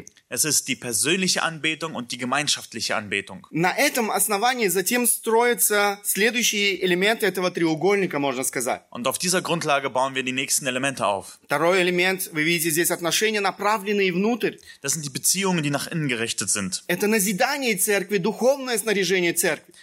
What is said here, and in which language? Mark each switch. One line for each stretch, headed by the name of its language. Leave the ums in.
German: Es ist die persönliche Anbetung und die gemeinschaftliche Anbetung.
Russian: На этом основании затем строятся следующие элементы этого треугольника, можно сказать.
German: Und auf dieser Grundlage bauen wir die nächsten Elemente auf.
Russian: Второй элемент, вы видите здесь отношения, направленные внутрь.
German: Das sind die Beziehungen, die nach innen gerichtet sind.
Russian: Это назидание церкви, духовное снаряжение церкви.